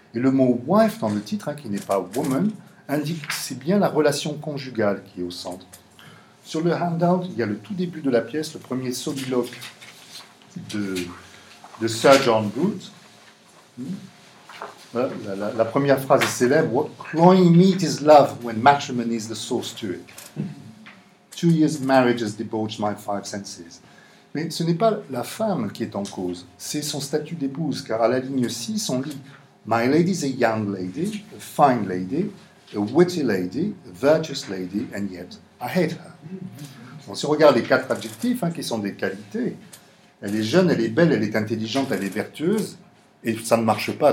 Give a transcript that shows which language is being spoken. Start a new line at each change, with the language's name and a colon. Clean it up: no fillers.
French: Et le mot wife dans le titre, qui n'est pas woman, indique que c'est bien la relation conjugale qui est au centre. Sur le handout, il y a le tout début de la pièce, le premier soliloque de Sir John Brute. La première phrase est célèbre.
English: What cloying meat is love when matrimony is the source to it? 2 years of marriage has debauched my 5 senses.
French: Mais ce n'est pas la femme qui est en cause, c'est son statut d'épouse, car à la ligne 6, on lit
English: My lady is a young lady, a fine lady, a witty lady, a virtuous lady, and yet I hate her.
French: Bon, si on regarde les 4 adjectifs, qui sont des qualités, elle est jeune, elle est belle, elle est intelligente, elle est vertueuse, et ça ne marche pas.